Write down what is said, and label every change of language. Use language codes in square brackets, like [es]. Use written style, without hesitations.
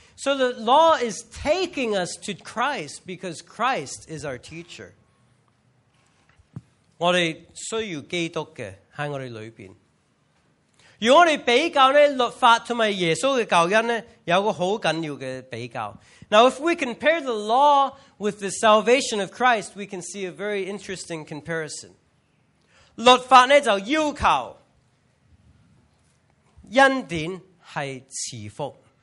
[en] So the law is taking us to Christ because Christ is our teacher. [zh] 我们需要基督的,在我们里面。如果我们比较律法和耶稣的教恩,有个很重要的比较。 [en] Now, if we compare the law with the salvation of Christ, we can see a very interesting comparison. [zh] 律法呢,就要求,恩典是慈福。